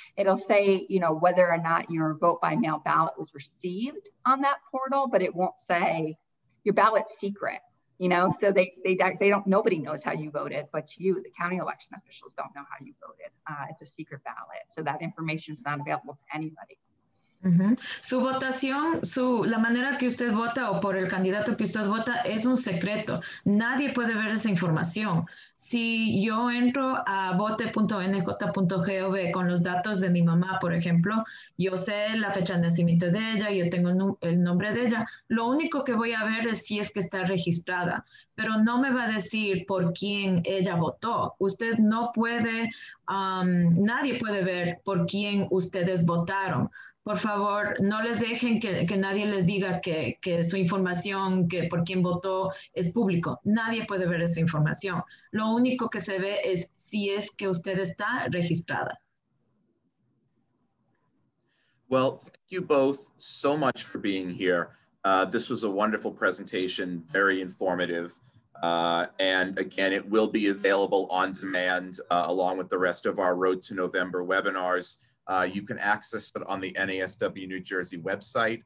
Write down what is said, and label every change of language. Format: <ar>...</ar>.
<en>It'll say, you know, whether or not your vote by mail ballot was received on that portal, but it won't say your ballot's secret, you know? So they don't, nobody knows how you voted, but you, the county election officials don't know how you voted. It's a secret ballot. So that information is not available to anybody. Uh-huh.</en> <es>Su votación, la manera que usted vota o por el candidato que usted vota es un secreto. Nadie puede ver esa información. Si yo entro a vote.nj.gov con los datos de mi mamá, por ejemplo, yo sé la fecha de nacimiento de ella, yo tengo el nombre de ella. Lo único que voy a ver es si es que está registrada, pero no me va a decir por quién ella votó. Usted no puede, nadie puede ver por quién ustedes votaron. Por favor, no les dejen que nadie les diga que su información, que por quién votó, es público. Nadie puede ver esa información. Lo único que se ve es si es que usted está registrada.</es> <en>Well, thank you both so much for being here. This was a wonderful presentation, very informative. And again, it will be available on demand along with the rest of our Road to November webinars. You can access it on the NASW New Jersey website.</en>